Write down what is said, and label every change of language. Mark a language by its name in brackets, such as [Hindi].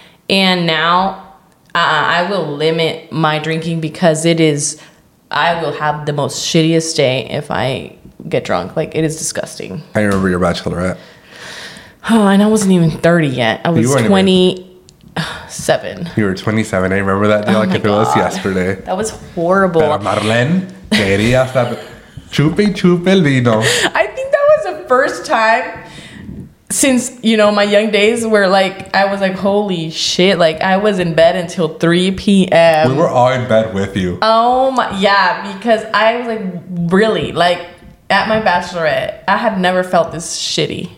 [English] And now I will limit my drinking because I will have the most shittiest day if I get drunk. Like, it is disgusting. I remember your bachelorette. Oh, and I wasn't even 30 yet. I was 27. You were 27. I remember that day if it was yesterday. That was horrible. [Spanish] Pero Marlene quería saber chupe chupe el vino. [English] I think that was the first time since, you know, my young days where, like, I was like, holy shit. Like, I was in bed until 3 p.m. We were all in bed with you. Oh, my. Yeah, because I was like, really, like, at my bachelorette, I had never felt this shitty.